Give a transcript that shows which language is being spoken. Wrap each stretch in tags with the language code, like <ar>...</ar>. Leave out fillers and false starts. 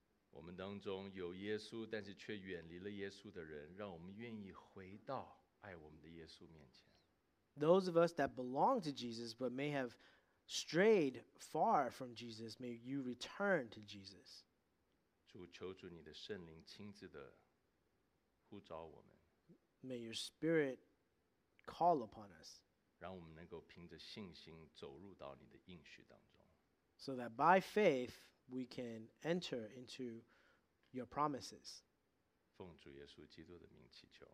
<zh>我们当中有耶稣，但是却远离了耶稣的人，让我们愿意回到爱我们的耶稣面前。</zh> <en>Those of us that belong to Jesus but may have strayed far from Jesus, may you return to Jesus.</en> <zh>主，求主你的圣灵亲自的呼召我们。</zh> <en>May your spirit call upon us.</en> <zh>让我们能够凭着信心走入到你的应许当中。</zh> <en>So that by faith,we can enter into your promises.</en> <zh>奉主耶稣基督的名祈求。</zh>